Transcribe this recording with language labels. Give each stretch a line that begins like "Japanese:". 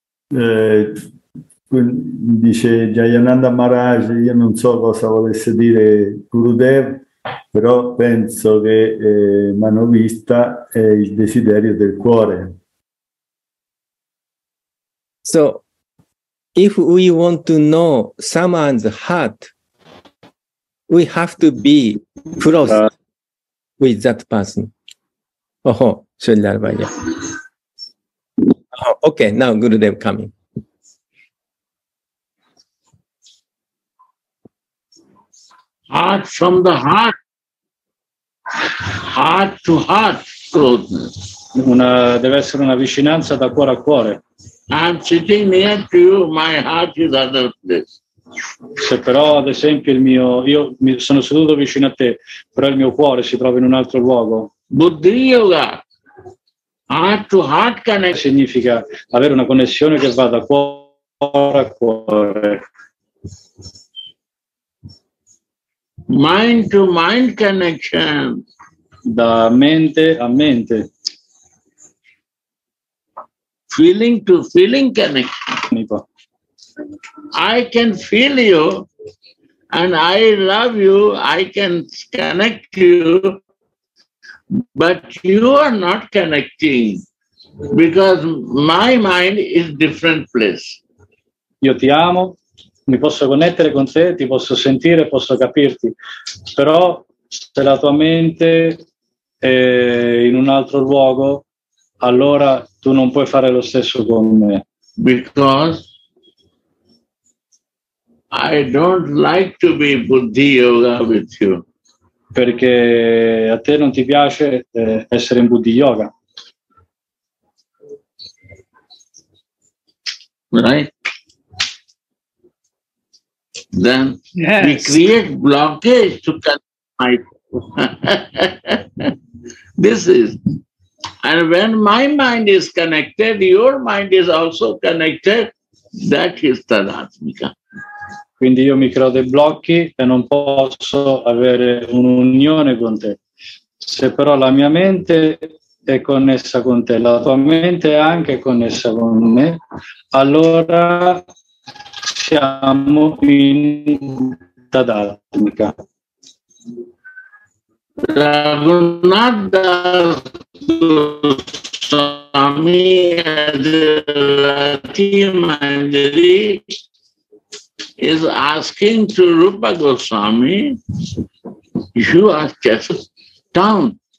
Italian: Dice Jayananda Maharaj, io non so cosa volesse dire Gurudev, però penso che Mano Vista è il desiderio del cuore.
English: So, if we want to know someone's heart, we have to be close with that person. Oh, Srila Arvaya. Oh, okay, now Gurudev coming. Heart from the heart. Heart to heart.
Italian: Una, deve essere una vicinanza da cuore a cuore.
English: I'm sitting near to you, my heart is under this.
Italian: Se però, ad esempio, il mio, io mi sono seduto vicino a te, però il mio cuore si trova in un altro luogo.
English: Buddhi yoga. Heart to heart connection
Italian: significa avere una connessione che va da cuore a cuore.
English: Mind to mind connection.
Italian: Da mente a mente.
English: Feeling to feeling connection. I can feel you and I love you, I can connect you. But you are not connecting because my mind is different place.
Italian: Io ti amo, mi posso connettere con te, ti posso sentire, posso capirti, però se la tua mente è in un altro luogo, allora tu non puoi fare lo stesso con me.
English: Because I don't like to be Buddhi Yoga with you.
Italian: Perché a te non ti piace essere in Buddhi Yoga.
English: Right? Then yes. We create blockage to cut my... This is... And when my mind is connected, your mind is also connected. That is Tadatmika.
Italian: Quindi io mi creo dei blocchi e non posso avere un'unione con te. Se però la mia mente è connessa con te, la tua mente è anche connessa con me, allora siamo in tadatmika.
English: Raghunath Das Goswami and Rati Manjari is asking to Rupa Goswami, you are just down.